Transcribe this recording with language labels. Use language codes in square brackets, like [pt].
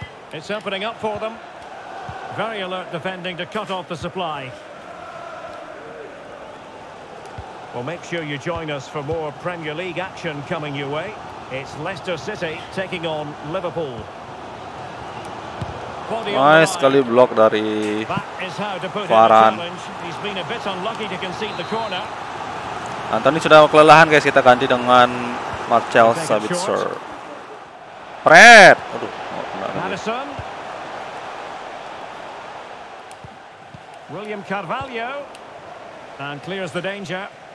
[en] It's opening up for them. Very alert defending to cut off the supply. Well, make sure you join us for more Premier League action coming your way. It's Leicester City taking on Liverpool. [id] Nice kali block dari Varan. [en] He's been a bit unlucky to concede the corner. [id] Anthony sudah kelelahan, guys. Kita ganti dengan Marcel Sabitzer. Fred. Aduh. Madison. [en] William Carvalho and clears the danger.